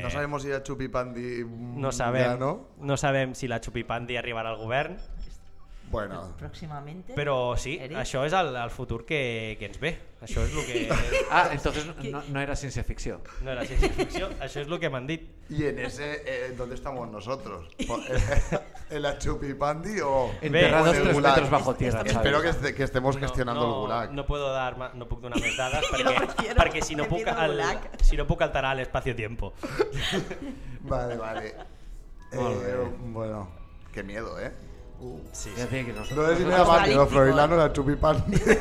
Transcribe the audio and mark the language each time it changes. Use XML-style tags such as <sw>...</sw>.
<ca>no, no sabem si la Chupipandi no sabem, ja, no? No sabem si la Chupipandi arribarà al govern. Bueno, pròximament. Però sí, Eric? Això és el futur que ens ve. Això és lo que</ca> <es>ah, entonces no era</es> <ca>ciència ficció. No era ciència ficció, això és lo que m'han dit.</ca> <es>I en ese ¿dónde estamos nosotros? ¿En la Chupipandi o enterrado 3 metros bajo tierra? Espero que que estemos gestionando el gulag. No puedo dar</es> <ca>no puc donar més dades perquè si no puc alterar l'espacio-tiempo.</ca> <es>Vale, vale. Bueno, qué miedo, ¿eh? Sí, ya sí. Que no es ni a no, Froilán o la Chupipandi.</es>